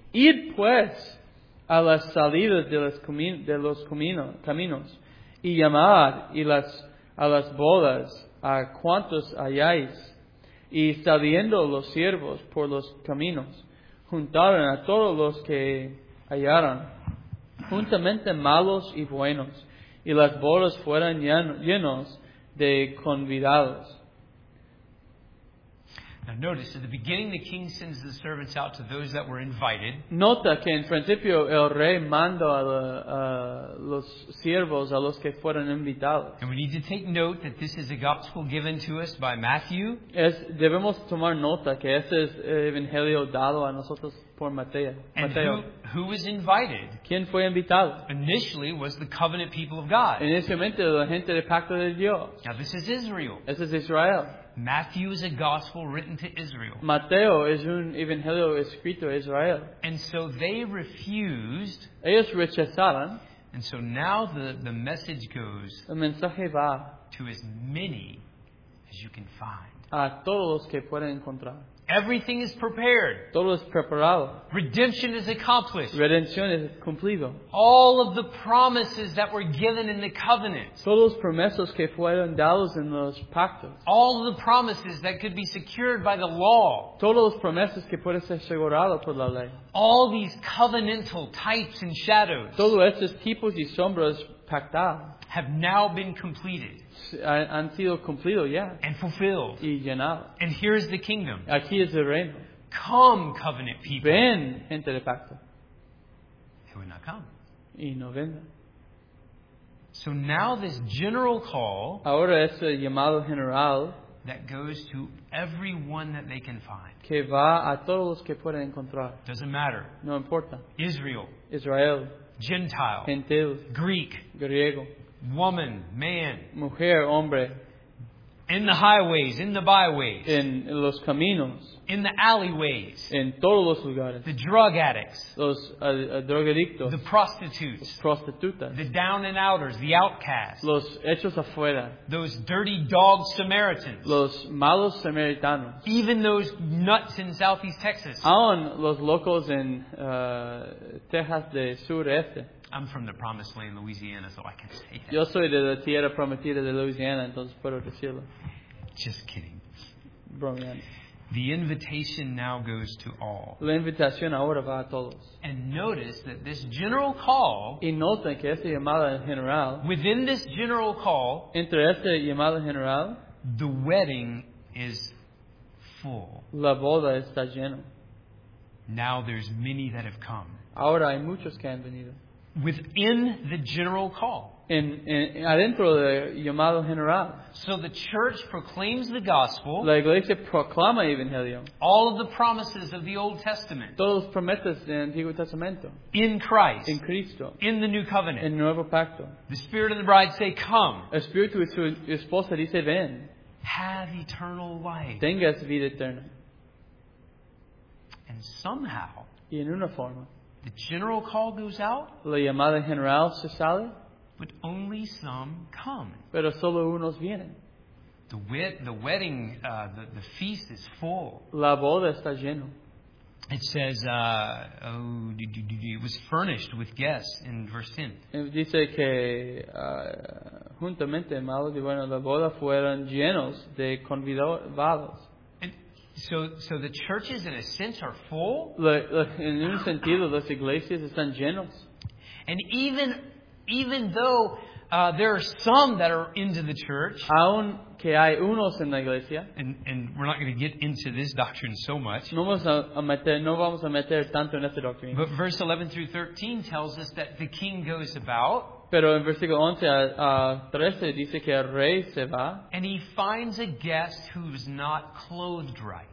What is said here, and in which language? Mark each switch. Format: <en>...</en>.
<es>Id pues a las salidas de los caminos y llamad a las bodas a cuantos halláis. Y saliendo los siervos por los caminos, juntaron a todos los que hallaron, juntamente malos y buenos, y las bodas fueron llenos de convidados.</es> <en>Now notice, at the beginning the king sends the servants out to those that were invited.</en> <es>Nota que en principio el rey manda a los siervos a los que fueron invitados.</es> <en>And we need to take note that this is a gospel given to us by Matthew.</en> <es>Debemos tomar nota que ese es el evangelio dado a nosotros por Mateo.</es> <en>And who was invited?</en> <es>¿Quién fue invitado?</es> <en>Initially was the covenant people of God.</en> <es>Inicialmente la gente del pacto de Dios.</es> <en>Now this is Israel.</en> <es>Ese es Israel.</es> <en>Matthew is a gospel written to Israel.</en> <es>Mateo es un evangelio escrito a Israel.</es> <en>And so they refused.</en> <es>Ellos rechazaron.</es> <en>And so now the message goes.</en> <es>El mensaje va.</es> <en>To as many as you can find.</en> <es>A todos los que pueden encontrar.</es> <en>Everything is prepared.</en> <es>Todo es preparado.</es> <en>Redemption is accomplished.</en> <es>Redención es cumplido.</es> <en>All of the promises that were given in the covenant.</en> <es>Todos los promesas que fueron dados en los pactos.</es> <en>All of the promises that could be secured by the law.</en> <es>Todos los promesas que pueden ser asegurados por la ley.</es> <en>All these covenantal types and shadows.</en> <es>Todos estos tipos y sombras pactadas.</es> <en>Have now been completed.</en> <es>Han sido cumplido, yeah.</es> <en>And fulfilled.</en> <es>Y llenado.</es> <en>And here is the kingdom.</en> <es>Aquí es el reino.</es> <en>Come, covenant people.</en> <es>Ven, gente de pacto.</es> <en>They would not come.</en> <es>Y no ven.</es> <en>So now this general call.</en> <es>Ahora ese llamado general.</es> <en>That goes to everyone that they can find.</en> <es>Que va a todos los que pueden encontrar.</es> <en>Doesn't matter.</en> <es>No importa.</es> <en>Israel.</en> <es>Israel.</es> <en>Gentile.</en> <es>Gentil.</es> <en>Greek.</en> <es>Griego.</es> <en>Woman, man,</en> <es>mujer, hombre,</es> <en>in the highways, in the byways,</en> <es>in los caminos,</es> <en>in the alleyways,</en> <es>en todos los lugares,</es> <en>the drug addicts,</en> <es>los drogadictos,</es> <en>the prostitutes,</en> <es>los prostitutas,</es> <en>the down and outers, the outcasts,</en> <es>los hechos afuera,</es> <en>those dirty dog Samaritans,</en> <es>los malos samaritanos,</es> <en>even those nuts in Southeast Texas,</en> <es>aún los locos en Texas del sureste.</es> <en>I'm from the Promised Land, Louisiana, so I can say that.</en> <es>Yo soy de la tierra prometida de Louisiana, entonces puedo decirlo.</es> <en>Just kidding.</en> <es>Bromeando.</es> <en>The invitation now goes to all.</en> <es>La invitación ahora va a todos.</es> <en>And notice that this general call.</en> <es>Y nota que esta llamada general.</es> <en>Within this general call.</en> <es>Entre esta llamada general.</es> <en>The wedding is full.</en> <es>La boda está llena.</es> <en>Now there's many that have come.</en> <es>Ahora hay muchos que han venido.</es> <en>Within the general call.</en> <es>Adentro del llamado general.</es> <en>So the church proclaims the gospel.</en> <es>La iglesia proclama el evangelio.</es> <en>All of the promises of the Old Testament.</en> <es>Todos los promesas del Antiguo Testamento.</es> <en>In Christ.</en> <es>En Cristo.</es> <en>In the new covenant.</en> <es>En nuevo pacto.</es> <en>The Spirit and the bride say, come.</en> <es>El Espíritu y su esposa dice, ven.</es> <en>Have eternal life.</en> <es>Tengas vida eterna.</es> <en>And somehow.</en> <es>Y en una forma.</es> <en>The general call goes out.</en> <es>La llamada general se sale.</es> <en>But only some come.</en> <es>Pero solo unos vienen.</es> <en>The wedding, the feast is full.</en> <es>La boda está lleno.</es> <en>It says, it was furnished with guests in verse 10.</en> <es>Dice que juntamente malo y bueno la boda fueron llenos de convidados.</es> <en>So the churches in a sense are full.</en> <es>En un sentido, las iglesias están llenos.</es> <en>And even though there are some that are into the church,</en> <es>aun que hay unos en la iglesia,</es> <en>and we're not going to get into this doctrine so much.</en> <es>No vamos a meter tanto en esta doctrina.</es> <en>But verse 11 through 13 tells us that the king goes about.</en> <es>Pero en versículo 11 a 13 dice que el rey se va.</es> <en>And he finds a guest who's not clothed right.</en>